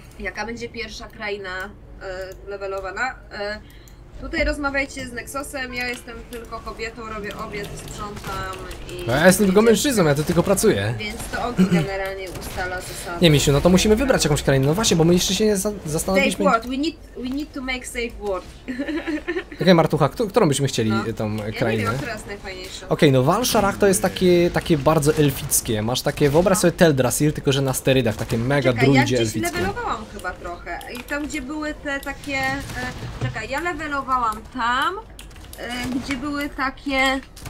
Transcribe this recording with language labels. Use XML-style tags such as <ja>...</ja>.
<pl>Jaka będzie pierwsza kraina levelowana? Tutaj rozmawiajcie z Nexosem, ja jestem tylko kobietą, robię obiad, sprzątam i... No, ja jestem tylko mężczyzną, ja tu tylko pracuję. Więc to Ogi generalnie ustala zasady. Nie, Misiu, no to musimy wybrać jakąś krainę. No właśnie, bo my jeszcze się nie zastanowiliśmy...</pl> <en>Safe word, we need to make safe word.</en> <pl>Okej, Martucha, którą byśmy chcieli tą krainę? Ja nie wiem, która jest najfajniejsza. Okej, no Walsharach to jest takie bardzo elfickie. Masz takie, wyobraź sobie Teldrassil, tylko że na sterydach, takie mega druidzie elfickie. Czekaj, ja gdzieś levelowałam chyba trochę. I tam, gdzie były te takie... Czekaj, ja levelowałam tam, gdzie były takie...</pl>